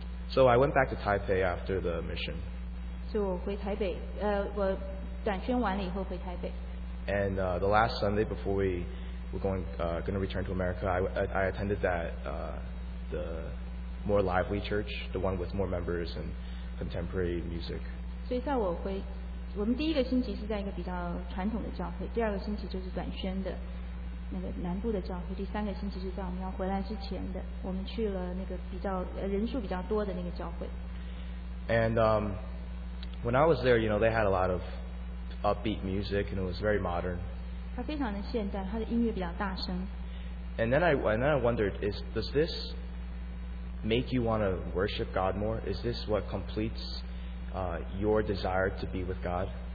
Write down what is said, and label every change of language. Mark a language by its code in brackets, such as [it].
[en] So I went back to Taipei after the mission. [zh] 所以我回台北，我短宣完了以后回台北。 [en] And the last Sunday before we were going to return to America, I attended that the more lively church, the one with more members and contemporary music. [zh] 所以在我们第一个星期是在一个比较传统的教会，第二个星期就是短宣的那个南部的教会，第三个星期是在我们要回来之前的，我们去了那个比较人数比较多的那个教会。 [en] And when I was there, you know, they had a lot of upbeat music, and it was very modern. [zh] 它非常的现代，它的音乐比较大声。 [en] And then I wondered, does this make you want to worship God more? Is this what completes your desire to be with God?